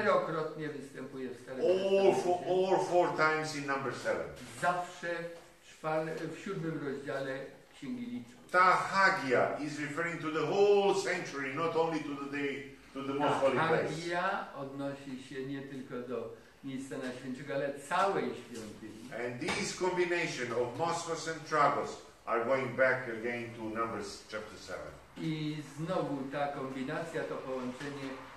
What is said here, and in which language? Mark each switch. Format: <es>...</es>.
<pl>Czterokrotnie występuje w Starym</pl> <en>Testamencie. All four times in number 7.</en> <pl>Zawsze w siódmym rozdziale Księgi Liczb.</pl> <en>Ta hagia is referring to the whole sanctuary, not only to the day, to the most holy place.</en> <pl>Hagia odnosi się nie tylko do miejsca na świętego, ale całej świątyni.</pl> <en>And this combination of Moskos and Tragos are going back again to Numbers chapter 7.</en> <pl>I znowu ta kombinacja, to połączenie</pl>